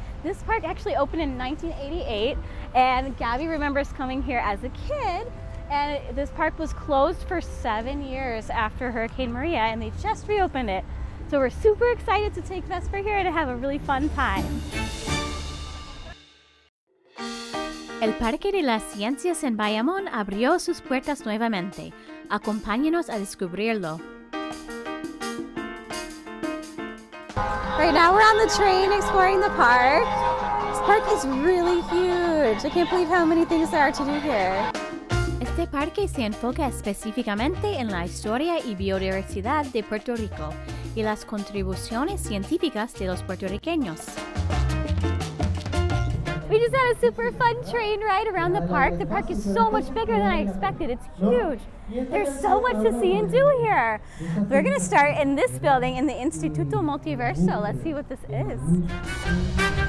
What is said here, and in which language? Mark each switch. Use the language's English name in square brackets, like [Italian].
[English] This park actually opened in 1988, and Gabby remembers coming here as a kid. And this park was closed for 7 years after Hurricane Maria, and they just reopened it. So we're super excited to take Vesper here and have a really fun time. [Spanish] El Parque de las Ciencias en Bayamón abrió sus puertas nuevamente. Acompáñenos a descubrirlo. [English] Right now we're on the train exploring the park. This park is really huge. I can't believe how many things there are to do here. [Spanish] Este parque se enfoca específicamente en la historia y biodiversidad de Puerto Rico y las contribuciones científicas de los puertorriqueños. [English] We just had a super fun train ride around the park. The park is so much bigger than I expected. It's huge. There's so much to see and do here. We're going to start in this building in the Instituto Multiverso. Let's see what this is.